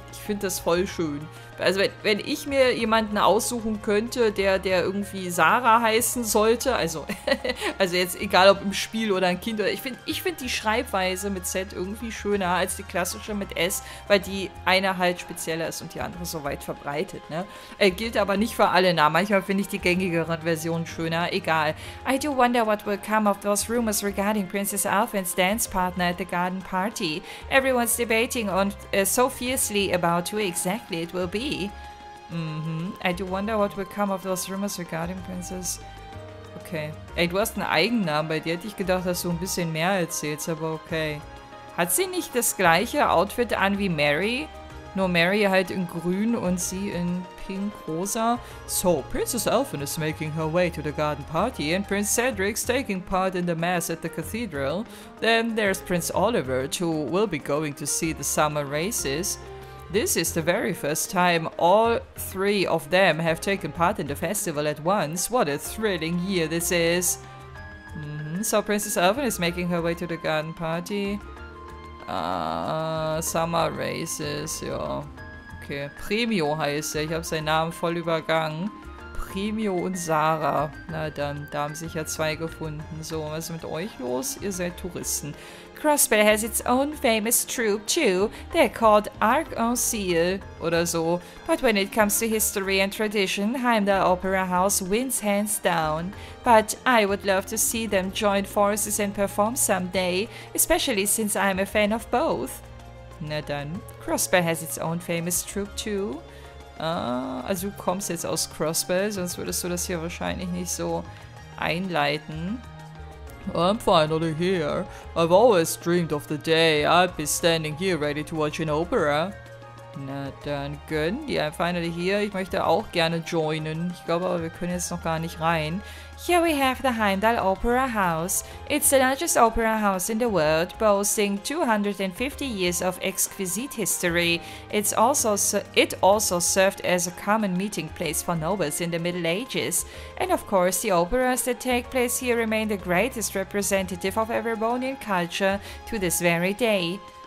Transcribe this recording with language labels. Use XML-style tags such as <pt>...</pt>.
<de>Ich finde das voll schön. Also wenn ich mir jemanden aussuchen könnte, der irgendwie Sarah heißen sollte, also also jetzt egal ob im Spiel oder ein Kind, oder ich finde die Schreibweise mit Z irgendwie schöner als die klassische mit S, weil die eine halt spezieller ist und die andere so weit verbreitet, ne? Gilt aber nicht für alle Namen. Manchmal finde ich die gängigeren Versionen schöner. Egal.</de> <en>I do wonder what will come of those rumors regarding Princess Alphen's dance partner at the garden party. Everyone's debating on so fiercely about who exactly it will be. Mhm. I do wonder what will come of those rumors regarding Princess.</en> <de>Okay. Ey, du hast einen Eigennamen. Bei dir hätte ich gedacht, dass du ein bisschen mehr erzählst, aber okay. Hat sie nicht das gleiche Outfit an wie Mary? Nur Mary halt in grün und sie in pink-rosa.</de> <en>So, Princess Alphen is making her way to the garden party and Prince Cedric's taking part in the mass at the cathedral. Then there's Prince Oliver, who will be going to see the summer races. This is the very first time all three of them have taken part in the festival at once. What a thrilling year this is. Mm-hmm. So Princess Alphen is making her way to the garden party. Summer races, ja.</en> <de>Okay, Premio heißt er. Ich habe seinen Namen voll übergangen. Premio und Sarah. Na dann, da haben sich ja zwei gefunden. So, was ist mit euch los? Ihr seid Touristen.</de> <en>Crossbell has its own famous troop too. They're called Arc-en-Ciel</en> <de>oder so.</de> <en>But when it comes to history and tradition, Heimdall Opera House wins hands down. But I would love to see them join forces and perform someday, especially since I'm a fan of both.</en> <de>Na dann,</de> <en>Crossbell has its own famous troop too.</en> <de>Ah, also du kommst jetzt aus Crossbell, sonst würdest du das hier wahrscheinlich nicht so einleiten.</de> <en>I'm finally here. I've always dreamed of the day I'd be standing here ready to watch an opera.</en> <de>Na dann, gönn dir.</de> <en>I'm finally here.</en> <de>Ich möchte auch gerne joinen. Ich glaube aber, wir können jetzt noch gar nicht rein.</de> <en>Here we have the Heimdall Opera House. It's the largest opera house in the world, boasting 250 years of exquisite history. It also served as a common meeting place for nobles in the Middle Ages. And of course, the operas that take place here remain the greatest representative of Erebonian culture to this very day.</en>